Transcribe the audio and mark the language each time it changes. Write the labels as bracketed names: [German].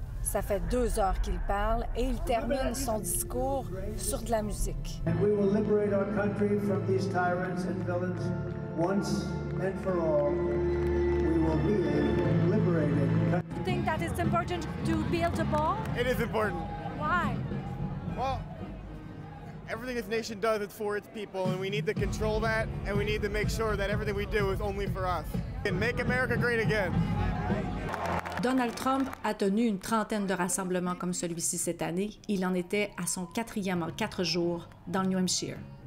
[French] Ça fait 2 heures qu'il parle et il termine son discours sur de la musique. [English] And we will liberate our country from these tyrants and villains once and for all. We will be a liberated country. You think that it's important to build a wall? It is important. Why? Well, everything this nation does is for its people, and we need to control that, and we need to make sure that everything we do is only for us. And make America great again. [French] Donald Trump a tenu une trentaine de rassemblements comme celui-ci cette année. Il en était à son quatrième en 4 jours dans le New Hampshire.